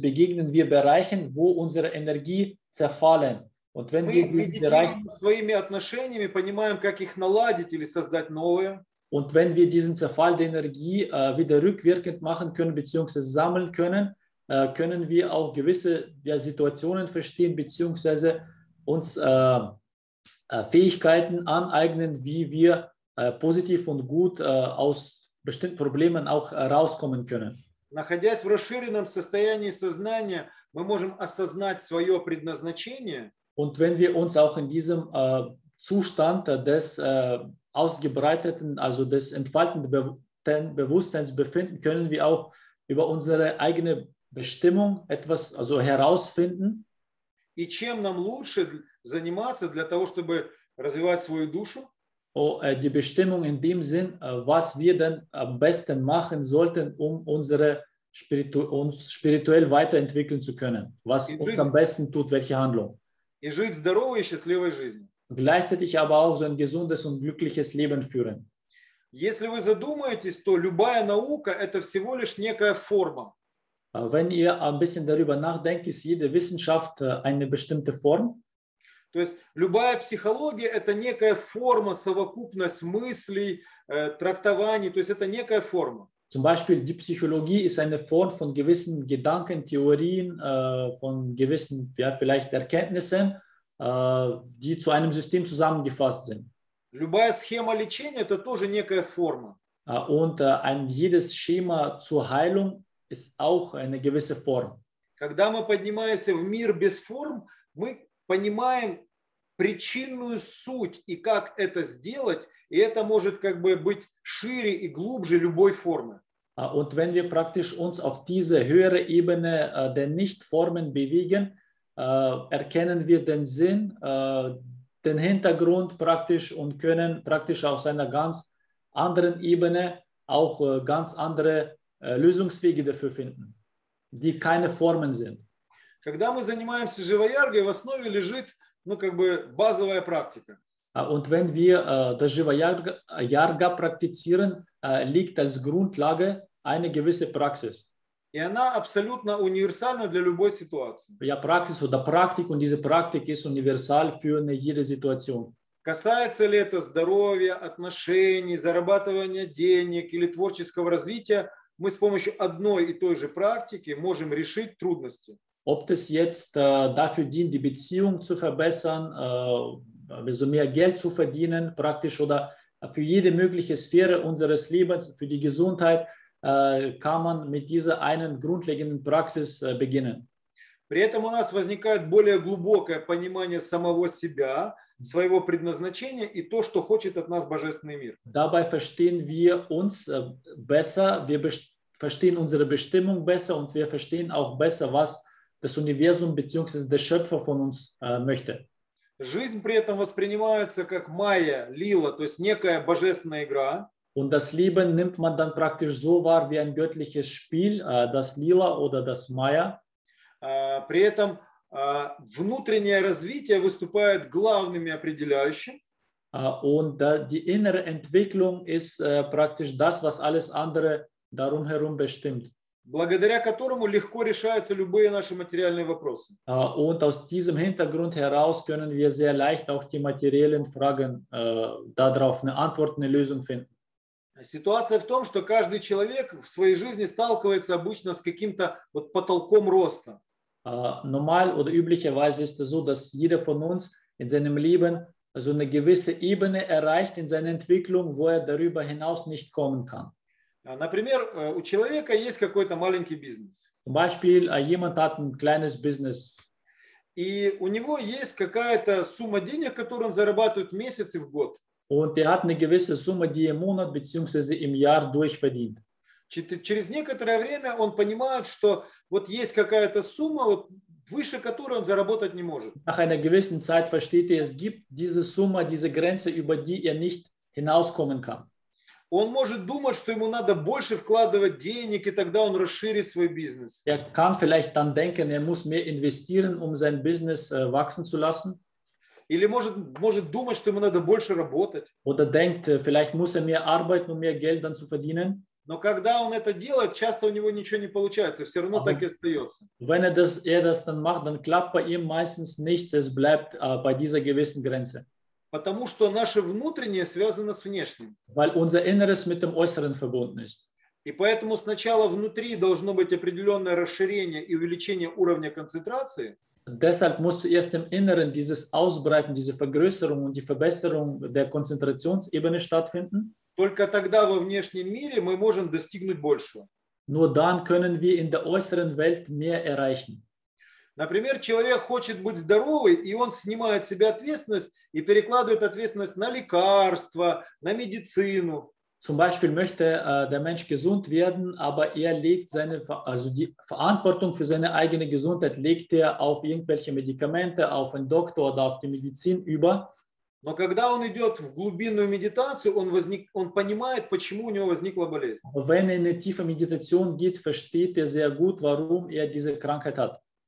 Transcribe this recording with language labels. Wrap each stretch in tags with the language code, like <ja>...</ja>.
<de>begegnen wir Bereichen, wo unsere Energie zerfallen. Und wenn wir diesen Bereich</de> <ru>своими отношениями понимаем, как их наладить или создать новое.</ru> <de>Und wenn wir diesen Zerfall der Energie wieder rückwirkend machen können bzw. sammeln können, können wir auch gewisse Situationen verstehen bzw. uns Fähigkeiten aneignen, wie wir positiv und gut aus bestimmten Problemen auch rauskommen können.</de> <ru>Находясь в расширенном состоянии сознания, мы можем осознать свое предназначение.</ru> <de>Und wenn wir uns auch in diesem Zustand des ausgebreiteten, also des entfalteten Bewusstseins befinden, können wir auch über unsere eigene Bestimmung etwas also herausfinden.</de> <ru>И чем нам лучше заниматься для того, чтобы развивать свою душу?</ru> <de>Die Bestimmung in dem Sinn, was wir denn am besten machen sollten, um uns spirituell weiterentwickeln zu können. Was uns am besten tut, welche Handlung.</de> <ru>И жить здоровой и счастливой жизнью.</ru> <de>Gleichzeitig aber auch so ein gesundes und glückliches Leben führen.</de> <ru>Если вы задумаетесь, то любая наука – это всего лишь некая форма.</ru> <de>Wenn ihr ein bisschen darüber nachdenkt, ist jede Wissenschaft eine bestimmte Form.</de> <ru>То есть любая психология – это некая форма, совокупность мыслей, трактований. То есть это некая форма.</ru> <de>Zum Beispiel die Psychologie ist eine Form von gewissen Gedanken, Theorien, von gewissen, ja, vielleicht Erkenntnissen. die zu einem System zusammengefasst sind.</de> <ru>Любая схема лечения – это тоже некая форма.</ru> <de>Und jedes Schema zur Heilung ist auch eine gewisse Form.</de> <ru>Когда мы поднимаемся в мир без форм, мы понимаем причинную суть и как это сделать, и это может как бы быть шире и глубже любой формы.</ru> <de>Und wenn wir praktisch uns auf diese höhere Ebene der Nichtformen bewegen, erkennen wir den Sinn, den Hintergrund praktisch und können praktisch aus einer ganz anderen Ebene auch ganz andere Lösungswege dafür finden, die keine Formen sind.</de> <ru>Когда мы занимаемся живоярго, в основе лежит, ну, как бы базовая практика.</ru> <de>Und wenn wir das Живоярго praktizieren, liegt als Grundlage eine gewisse Praxis.</de> <ru>И она абсолютно универсальна для любой ситуации.</ru> <de>Ja, Praxis oder Praktik, und diese Praktik ist universal für eine jede Situation.</de> <ru>Касается ли это здоровья, отношений, зарабатывания денег или творческого развития, мы с помощью одной и той же практики можем решить трудности.</ru> <de>Ob das jetzt dafür dient, die Beziehung zu verbessern, also mehr Geld zu verdienen, praktisch, oder für jede mögliche Sphäre unseres Lebens, für die Gesundheit, kann man mit dieser einen grundlegenden Praxis beginnen.</de> <ru>При этом у нас возникает более глубокое понимание самого себя, своего предназначения и то, что хочет от нас Божественный мир.</ru> <de>Dabei verstehen wir uns besser, wir verstehen unsere Bestimmung besser und wir verstehen auch besser, was das Universum bzw. der Schöpfer von uns möchte.</de> <ru>Жизнь при этом воспринимается как майя, лила, то есть некая божественная игра.</ru> <de>Und das Leben nimmt man dann praktisch so wahr wie ein göttliches Spiel, das Lila oder das Maya.</de> <ru>При этом внутреннее развитие выступает главными определяющим.</ru> <de>Und die innere Entwicklung ist praktisch das, was alles andere darum herum bestimmt.</de> <ru>Благодаря которому легко решаются любые наши материальные вопросы.</ru> <de>Und aus diesem Hintergrund heraus können wir sehr leicht auch die materiellen Fragen darauf eine Antwort, eine Lösung finden.</de> <ru>Ситуация в том, что каждый человек в своей жизни сталкивается обычно с каким-то вот потолком роста.</ru> <de>Normal oder üblicherweise ist es so, dass jeder von uns in seinem Leben so eine gewisse Ebene erreicht in seiner Entwicklung, wo er darüber hinaus nicht kommen kann.</de> <ru>Например, у человека есть какой-то маленький бизнес.</ru> <de>Zum Beispiel, jemand hat ein kleines Business.</de> <ru>И у него есть какая-то сумма денег, которую он зарабатывает в месяц и в год.</ru> <de>Und hat eine gewisse Summe, die im Monat bzw. im Jahr durchverdient.</de> <ru>Через некоторое время он понимает, что вот есть какая-то сумма, вот выше которой он заработать не может.</ru> <de>Nach einer gewissen Zeit versteht er, es gibt diese Summe, diese Grenze, über die er nicht hinauskommen kann.</de> <ru>Он может думать, что ему надо больше вкладывать денег, и тогда он расширит свой бизнес.</ru> <de>Er kann vielleicht dann denken, er muss mehr investieren, um sein Business wachsen zu lassen.</de> <ru>Или может думать, что ему надо больше работать.</ru> <de>Oder denkt, vielleicht muss er mehr arbeiten, um mehr Geld dann zu verdienen.</de> <ru>Но когда он это делает, часто у него ничего не получается, все равно так и остается.</ru> <de>Wenn er das dann macht, dann klappt bei ihm meistens nichts, es bleibt bei dieser gewissen Grenze.</de> <ru>Потому что наше внутреннее связано с внешним.</ru> <de>Weil unser Inneres mit dem Äußeren verbunden ist.</de> <ru>И поэтому сначала внутри должно быть определенное расширение и увеличение уровня концентрации.</ru> <de>Deshalb musst du erst im Inneren dieses Ausbreiten, diese Vergrößerung und die Verbesserung der Konzentrationsebene stattfinden.</de> <ru>Только тогда во внешнем мире мы можем достигнуть большего.</ru> <de>Nur dann können wir in der äußeren Welt mehr erreichen.</de> <ru>Например, человек хочет быть здоровым, и он снимает с себя ответственность и перекладывает ответственность на лекарства, на медицину.</ru> <de>Zum Beispiel möchte der Mensch gesund werden, aber er legt seine, also die Verantwortung für seine eigene Gesundheit legt er auf irgendwelche Medikamente, auf einen Doktor oder auf die Medizin über.</de> <ru>Но когда он идет в глубинную медитацию, он понимает, почему у него возникла болезнь.</ru> <de>Wenn er in eine tiefe Meditation geht, versteht er sehr gut, warum er diese Krankheit hat.</de>